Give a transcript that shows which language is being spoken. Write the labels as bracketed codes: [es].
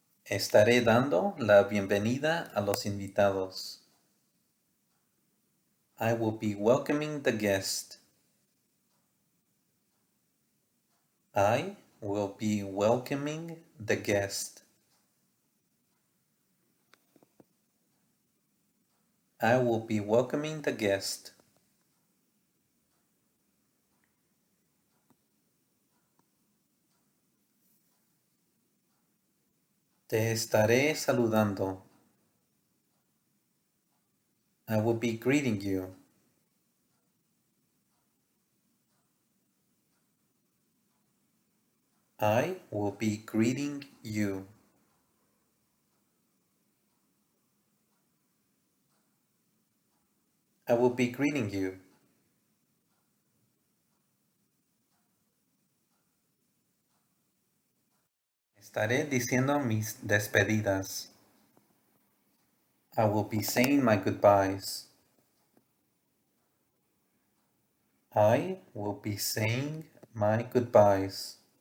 [es] Estaré dando la bienvenida a los invitados. [en] I will be welcoming the guest. I will be welcoming the guest. I will be welcoming the guest. [es] Te estaré saludando. [en] I will be greeting you. I will be greeting you. I will be greeting you. [es] Estaré diciendo mis despedidas. [en] I will be saying my goodbyes. I will be saying my goodbyes.